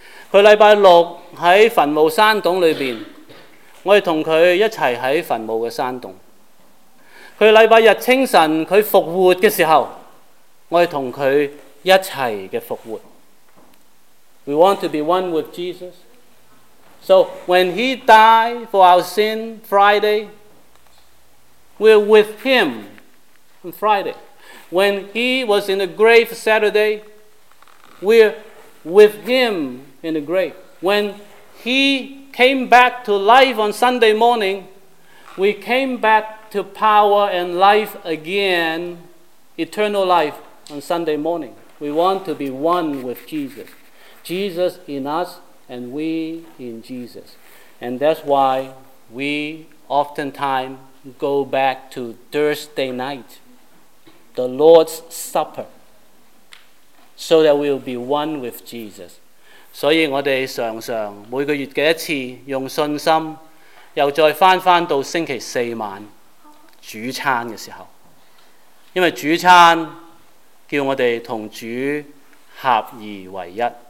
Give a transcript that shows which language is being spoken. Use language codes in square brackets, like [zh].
[zh] 他星期六在坟墓山洞里面，我们跟他一起在坟墓的山洞。他星期日清晨他复活的时候，我们跟他一起的复活。 [en] We want to be one with Jesus. So when he died for our sin Friday, we're with him on Friday. When he was in the grave Saturday, we're with him. In the grave. When he came back to life on Sunday morning, we came back to power and life again, eternal life on Sunday morning. We want to be one with Jesus. Jesus in us and we in Jesus. And that's why we oftentimes go back to Thursday night, the Lord's Supper, so that we'll be one with Jesus. [zh] 所以我们常常每个月的一次用信心又再回到星期四晚主餐的时候，因为主餐叫我们同主合而为一，